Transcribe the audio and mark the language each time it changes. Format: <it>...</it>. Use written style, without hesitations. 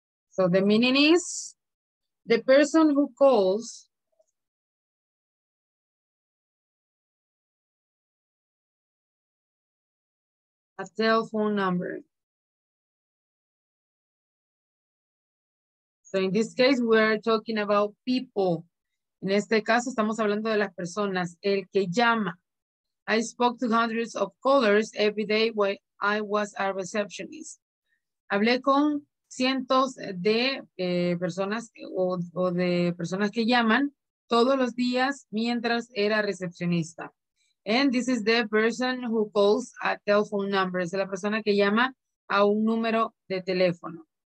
<en>So the meaning is the person who calls a telephone number. So in this case, we're talking about people.</en> <es>En este caso, estamos hablando de las personas, el que llama.</es> <en>I spoke to hundreds of callers every day while I was a receptionist.</en> <es>Hablé con cientos de personas o de personas que llaman todos los días mientras era recepcionista.</es> <en>And this is the person who calls a telephone number.</en> <es>Es la persona que llama a un número de teléfono.</es>